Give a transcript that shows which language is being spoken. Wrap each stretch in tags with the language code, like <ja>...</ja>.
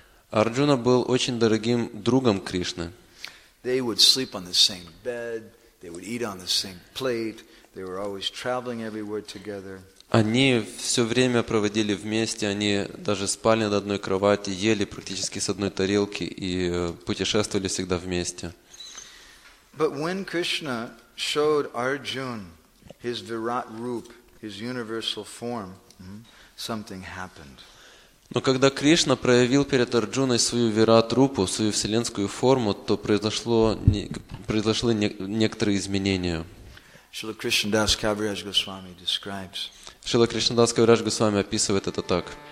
<ru>Арджуна был очень дорогим другом Кришны.</ru> <en>They would sleep on the same bed, they would eat on the same plate, they were always traveling everywhere together.</en> <ru>Они все время проводили вместе, они даже спали на одной кровати, ели практически с одной тарелки и путешествовали всегда вместе.</ru> <en>But when Krishna showed Arjuna his Virat Rup, his universal form, something happened.</en> <ru>Но когда Кришна проявил перед Арджуной свою Вират Рупу, свою вселенскую форму, то произошли некоторые изменения.</ru> <en>Шрила Кришнадас Кавирадж Госвами describes.</en> <ru>Шрила Кришнадас Кавирадж Госвами описывает это так.</ru>